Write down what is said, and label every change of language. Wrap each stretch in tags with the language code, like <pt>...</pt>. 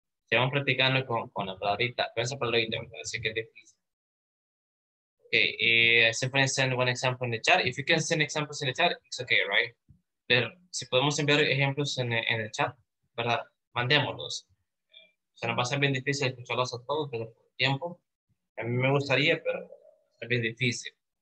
<es>Estamos practicando con la palabrita, con esa palabrita, así que es difícil.</es> <en>Okay, simply send one example in the chat. If you can send examples in the chat, it's okay, right?</en> <es>Pero si podemos enviar ejemplos en el chat, ¿verdad? Mandémoslos. Se nos va a ser bien difícil escucharlos a todos, pero por tiempo. A mí me gustaría, pero es bien difícil.</es>